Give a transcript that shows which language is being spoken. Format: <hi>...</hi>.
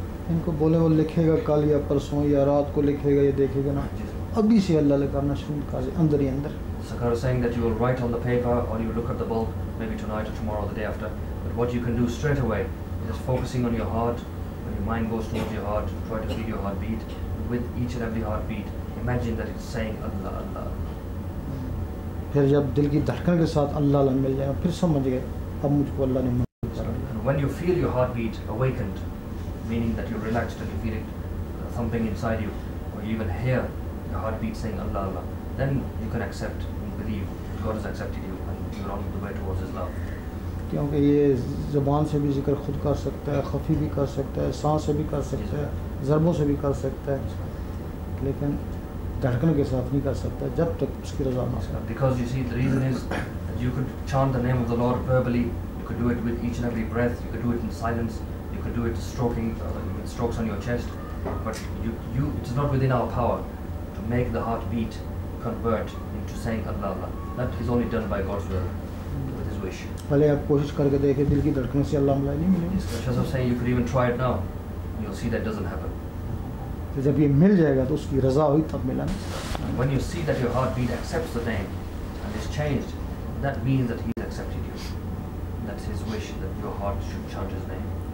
<hi>इनको बोले वो लिखेगा कल या परसों या रात को लिखेगा या देखेगा ना, अभी से अल्लाह लगाना शुरू कर दे अंदर ही अंदर.</hi> <en>Sakhar is saying that you will write on the paper or you will look at the bulb maybe tonight or tomorrow or the day after, but what you can do straight away is focusing on your heart. When your mind goes towards your heart, try to feel your heart beat. With each and every heartbeat, imagine that it's saying Allah, Allah.</en> <hi>फिर जब दिल की धड़कन के साथ अल्लाह ला मिल जाएगा फिर समझ गए अब मुझको अल्लाह ने मंजूर कर लिया.</hi> <en>When you feel your heartbeat awakened, meaning that you're relaxed and you feel it thumping inside you, or you even hear the heartbeat saying Allah Allah, then you can accept and believe God has accepted you and you're on the way towards His love.</en> <hi>क्योंकि ये ज़बान से भी ज़िक्र खुद कर सकता है, ख़फ़ी भी कर सकता है, सांस से भी कर सकता है, ज़र्बों से भी कर सकता है, लेकिन धड़कन के साथ नहीं कर सकता जब तक उसकी रज़ा ना हो.</hi> <en>Because you see, the reason is that you could chant the name of the Lord verbally, you could do it with each and every breath, you could do it in silence. You could do it stroking with strokes on your chest, but you it is not within our power to make the heartbeat convert into saying Allah Allah. That is only done by God's will, with His wish.</en> <hi>पहले आप कोशिश करके देखें दिल की धड़कनों से अल्लाह मिला नहीं मिलेगा.</hi> <en>Yes, as I was saying, you could even try it now, and you'll see that doesn't happen.</en> <hi>तो जब ये मिल जाएगा तो उसकी रज़ा हुई तब मिला ना.</hi> <en>When you see that your heartbeat accepts the name and is changed, that means that He's accepted you. That's His wish, that your heart should chant His name.</en>